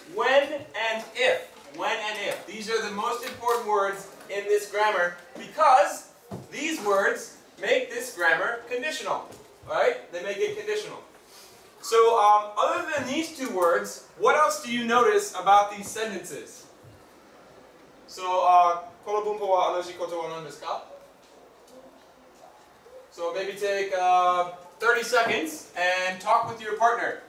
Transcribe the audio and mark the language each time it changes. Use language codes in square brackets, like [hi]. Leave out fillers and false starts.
[en] When and if. When and if. These are the most important words in this grammar because these words make this grammar conditional. Right? They make it conditional. So other than these two words, what else do you notice about these sentences? [ja] So, この文法は同じことは何ですか? [en] So maybe take 30 seconds and talk with your partner.